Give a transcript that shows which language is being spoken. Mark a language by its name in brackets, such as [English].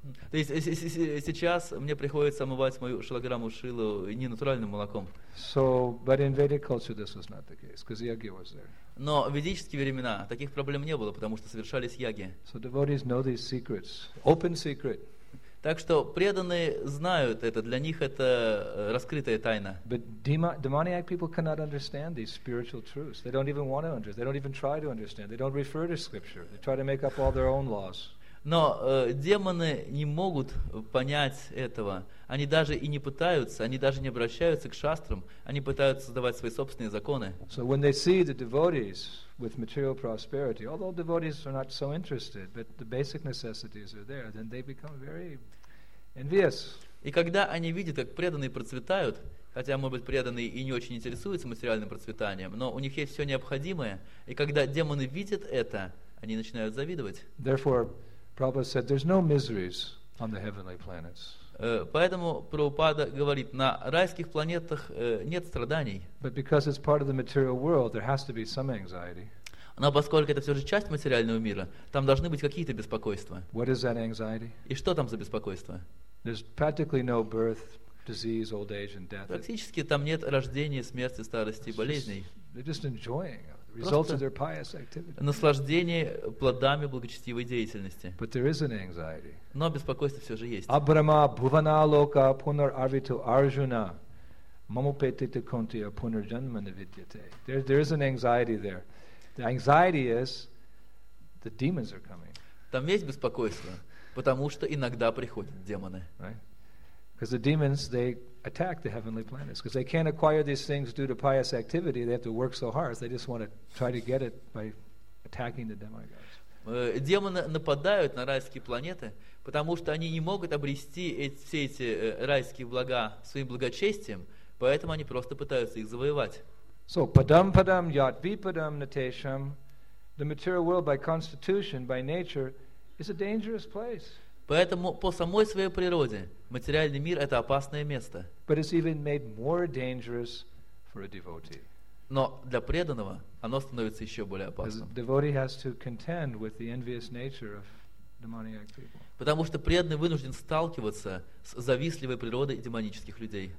[Russian] То есть сейчас мне приходится омывать мою шалаграмму шилу не натуральным молоком. [English] So, but in Vedic culture this was not the case, because yagya was there. [Russian] Но в ведические времена таких проблем не было, потому что совершались яги. [English] So devotees know these secrets. Open secret. [Russian] Так что преданные знают это, для них это раскрытая тайна. [English] But demoniac people cannot understand these spiritual truths. They don't even want to understand. They don't even try to understand. They don't refer to scripture. They try to make up all their own laws. [Russian] Но демоны не могут понять этого. Они даже и не пытаются, они даже не обращаются к шастрам. Они пытаются создавать свои собственные законы. [English] So when they see the devotees with material prosperity, although devotees are not so interested, but the basic necessities are there, then they become very envious. [Russian] И когда они видят, как преданные процветают, хотя, может быть, преданные и не очень интересуются материальным процветанием, но у них есть все необходимое, и когда демоны видят это, они начинают завидовать. [English] Therefore, Prabhupada said, there's no miseries on the heavenly planets. [Russian] Поэтому Прабхупада говорит, на райских планетах нет страданий. [English] But because it's part of the material world, there has to be some anxiety. [Russian] Но поскольку это все же часть материального мира, там должны быть какие-то беспокойства. [English] What is that anxiety? [Russian] И что там за беспокойство? [English] There's practically no birth, disease, old age, and death. [Russian] Практически там нет рождения, смерти, старости и болезней. [English] They're just enjoying it. Results of their pious activity. [Russian] Наслаждение плодами благочестивой деятельности. [English] But there is an anxiety. [Russian] Но беспокойство все же есть. [Sanskrit] Абрама бхувана лока пунар арвиту арджуна мамупетита кунти апунар джанма навидьяте. [English] There is an anxiety there. The anxiety is the demons are coming. [Russian] Там есть беспокойство, потому что иногда приходят демоны. [English] Because the demons, they attack the heavenly planets because they can't acquire these things due to pious activity. They have to work so hard. They just want to try to get it by attacking the demigods. [Russian] Демоны нападают на райские планеты, потому что они не могут обрести все эти райские блага своим благочестием, поэтому они просто пытаются их завоевать. [English] So [Sanskrit] padam padam yat vipadam natesham, [English] the material world by constitution, by nature, is a dangerous place. [Russian] Поэтому по самой своей природе материальный мир — это опасное место. [English] But it's even made more dangerous for a devotee. [Russian] Но для преданного оно становится еще более опасным. [English] Because the devotee has to contend with the envious nature of demoniac people. [Russian] Потому что преданный вынужден сталкиваться с завистливой природой демонических людей.